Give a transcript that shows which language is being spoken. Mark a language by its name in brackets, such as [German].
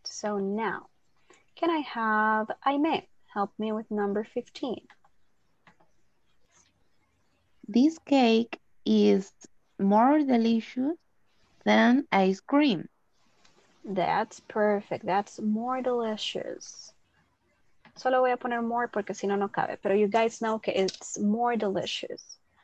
[English] So now, can I have Aime help me with number 15? This cake is more delicious than ice cream. That's perfect. That's more delicious. [Spanish] Solo voy a poner more porque si no, no cabe. [English] Pero you guys know, okay, it's more delicious.